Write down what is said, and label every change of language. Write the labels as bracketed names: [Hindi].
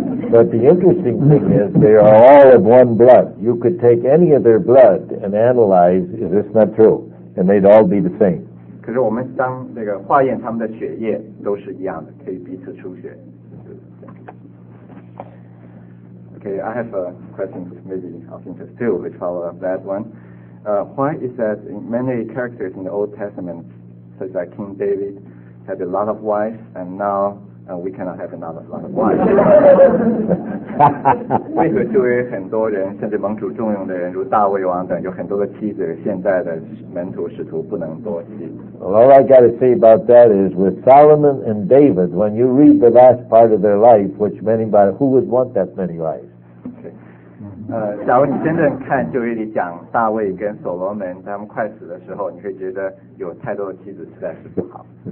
[English] But the interesting thing is they are all of one blood. You could take any of their blood and analyze, is this not true? And they'd all be the same. [Chinese] 可是我们当那个化验他们的血液都是一样的，可以彼此出血。 [English] Okay, I have a question maybe of interest too, which follow up that one. Why is that many characters in the Old Testament, such as King David, had a lot of wives, and now we cannot have another lot of wives? [Chinese] 为何周围很多人，甚至蒙主重用的人，如大卫王等，有很多的妻子，现在的门徒使徒不能多妻？ [English] Well, all I got to say about that is, with Solomon and David, when you read the last part of their life, which many, but who would want that many wives? [Chinese] 假如你真正看旧约里讲大卫跟所罗门他们快死的时候，你会觉得有太多的妻子实在是不好。